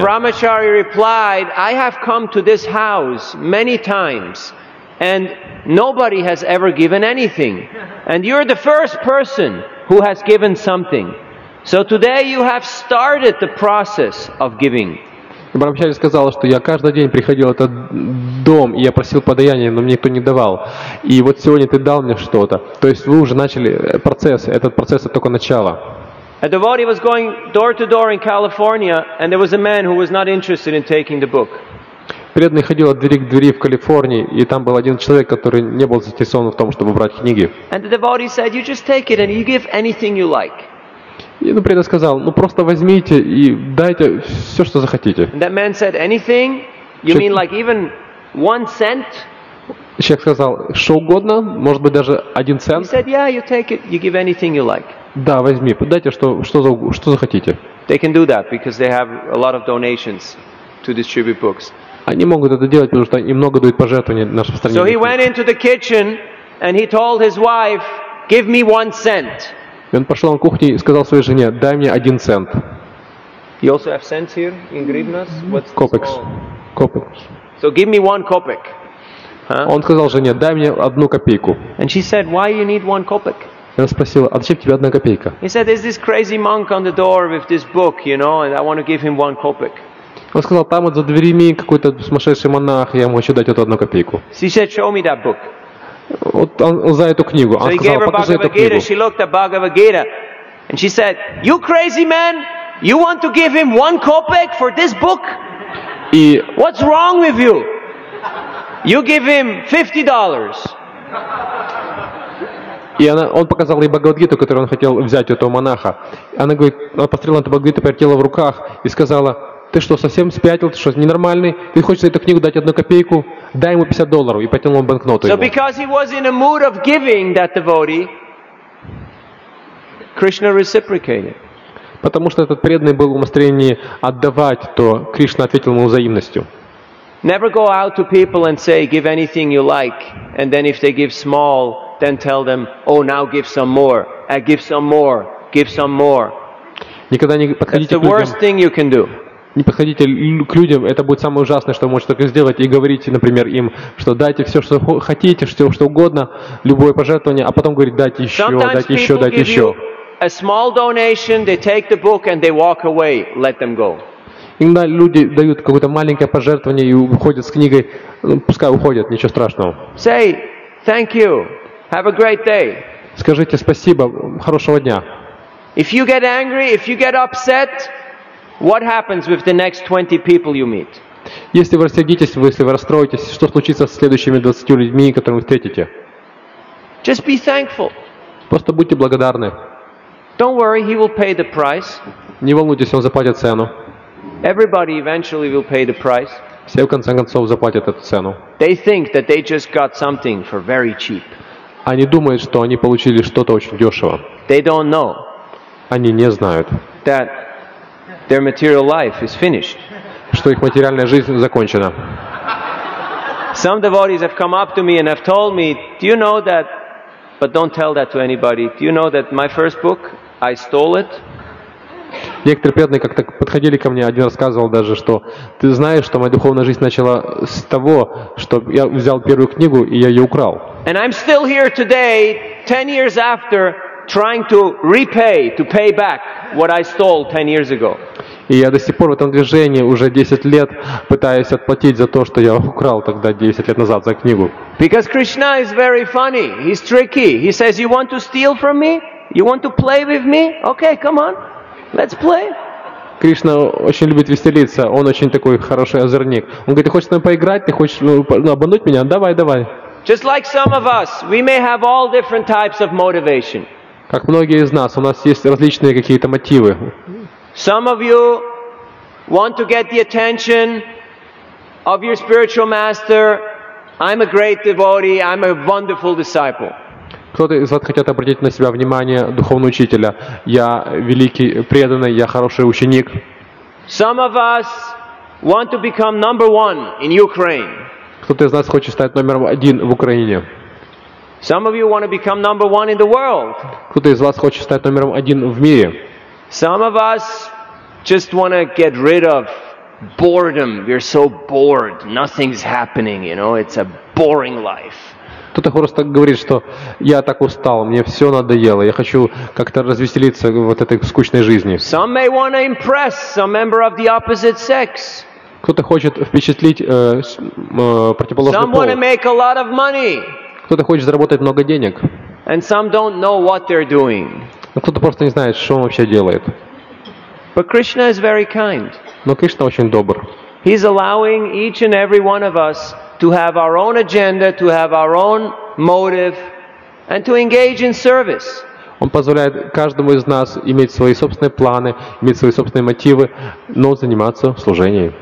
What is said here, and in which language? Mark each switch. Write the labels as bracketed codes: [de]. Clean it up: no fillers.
[en] That brahmachari replied, I have come to this house many times, and nobody has ever given anything. And you're the first person who has given something. So today you have started the process of giving. [ru] Брахмачари сказал, что я каждый день приходил в этот дом, и я просил подаяния, но мне никто не давал. И вот сегодня ты дал мне что-то. То есть вы уже начали процесс, этот процесс это только начало. [en] A devotee was going door to door in California, and there was a man who was not interested in taking the book. [ru] Преданный ходил от двери к двери в Калифорнии, и там был один человек, который не был заинтересован в том, чтобы брать книги. [en] And the devotee said, you just take it and you give anything you like. [ru] И преданный сказал, просто возьмите и дайте все, что захотите. [en] That man said anything? You mean like even 1 cent? [ru] Человек сказал, что угодно, может быть даже 1 цент. [en] He said, yeah, you take it, you give anything you like. [ru] Да, возьми, дайте что захотите. [en] They can do that because they have a lot of donations to distribute books. [ru] Они могут это делать, потому что им много дают пожертвований на распространение. [en] So he went into the kitchen and he told his wife, give me 1 cent. [ru] И он пошел на кухню и сказал своей жене, дай мне 1 цент. [en] You also have cents here in grivnas? [ru] Копекс. Копекс. [en] So give me 1 copeck. Huh? [ru] Он сказал жене, дай мне 1 копейку. [en] And she said, why you need 1 copeck? [ru] И она спросила, а зачем тебе 1 копейка? [en] He said, there's this crazy monk on the door with this book, you know, and I want to give him 1 copeck. [ru] Он сказал, там вот за дверями какой-то сумасшедший монах, я ему хочу дать эту 1 копейку. [en] She said, show me that book. [ru] Вот он, за эту книгу. [en] So he gave her Bhagavad Gita. She looked at Bhagavad Gita, and she said, "You crazy man! You want to give him 1 copeck for this book? What's wrong with you? You give him $50." [ru] И он показал ей Бхагавад-гиту, которую он хотел взять у этого монаха. Она говорит, она посмотрела на эту Бхагавад-гиту, повертела в руках и сказала, ты что, совсем спятил? Ты что, ненормальный? Ты хочешь за эту книгу дать 1 копейку? Дай ему $50. И потянул он банкноту ему. [en] So because he was in a mood of giving that devotee, Krishna reciprocated. [ru] Потому что этот преданный был в настроении отдавать, то Кришна ответил ему взаимностью. [en] Never go out to people and say, give anything you like, and then if they give small, then tell them, oh, now give some more, give some more, give some more. [ru] Никогда не подходите к людям. [en] That's the worst thing you can do. [ru] Не подходите к людям, это будет самое ужасное, что вы можете только сделать, и говорите, например, им, что дайте все, что хотите, все, что угодно, любое пожертвование, а потом говорить, дайте еще, [en] sometimes [ru] дайте еще, дайте еще. [en] A small donation, they take the book and they walk away, let them go. [ru] Иногда люди дают какое-то маленькое пожертвование и уходят с книгой, пускай уходят, ничего страшного. [en] Say, thank you, have a great day. [ru] Скажите спасибо, хорошего дня. [en] If you get angry, if you get upset, what happens with the next 20 people you meet? [ru] Если вы рассердитесь, если вы расстроитесь, что случится с следующими 20 людьми, которых вы встретите? [en] Just be thankful. [ru] Просто будьте благодарны. [en] Don't worry, he will pay the price. [ru] Не волнуйтесь, он заплатит цену. [en] Everybody eventually will pay the price. [ru] Все в конце концов заплатят эту цену. [en] They think that they just got something for very cheap. [ru] Они думают, что они получили что-то очень дешево. [en] They don't know. [ru] Они не знают. [en] That their material life is finished. [ru] Что их материальная жизнь закончена. [en] Some devotees have come up to me and have told me, do you know that? But don't tell that to anybody. Do you know that my first book, I stole it? [ru] Некоторые преданные как-то подходили ко мне, один рассказывал даже, что ты знаешь, что моя духовная жизнь начала с того, что я взял первую книгу и я ее украл. [en] And I'm still here today, 10 years after, trying to repay, to pay back what I stole 10 years ago. [ru] И я до сих пор в этом движении уже 10 лет пытаюсь отплатить за то, что я украл тогда 10 лет назад за книгу. [en] Because Krishna is very funny, he's tricky. He says, you want to steal from me? You want to play with me? Okay, come on. Let's play. [ru] Кришна очень любит веселиться. Он очень такой хороший озорник. Он говорит: ты хочешь с нами поиграть? Ты хочешь обмануть меня? Давай, давай. [en] Just like some of us, we may have all different types of motivation. [ru] Как многие из нас, у нас есть различные какие-то мотивы. [en] Some of you want to get the attention of your spiritual master. I'm a great devotee. I'm a wonderful disciple. [ru] Кто-то из вас хотят обратить на себя внимание духовного учителя. Я великий преданный, я хороший ученик. [en] Some of us want to become number one in Ukraine. [ru] Кто-то из нас хочет стать номером один в Украине. [en] Some of you want to become number one in the world. [ru] Кто-то из вас хочет стать номером один в мире. [en] Some of us just want to get rid of boredom. We're so bored. Nothing's happening. You know, it's a boring life. [ru] Кто-то просто говорит, что я так устал, мне все надоело, я хочу как-то развеселиться в вот этой скучной жизни. [en] Some may want to impress some member of the opposite sex. [ru] Кто-то хочет впечатлить противоположный пол. [en] Some want to make a lot of money. [ru] Кто-то хочет заработать много денег. [en] And some don't know what they're doing. [ru] Но кто-то просто не знает, что он вообще делает. [en] But Krishna is very kind. [ru] Но Кришна очень добр. [en] He's allowing each and every one of us to have our own agenda, to have our own motive, and to engage in service. [ru] Он позволяет каждому из нас иметь свои собственные планы, иметь свои собственные мотивы, но заниматься служением.